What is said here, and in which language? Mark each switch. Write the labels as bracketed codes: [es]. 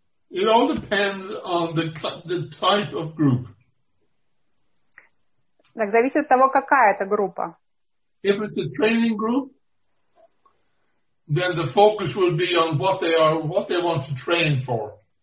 [en] It all depends on the type of group. [ru] Так зависит от того, какая это группа. [en] If it's a training group, then the focus will be on what they want to train for.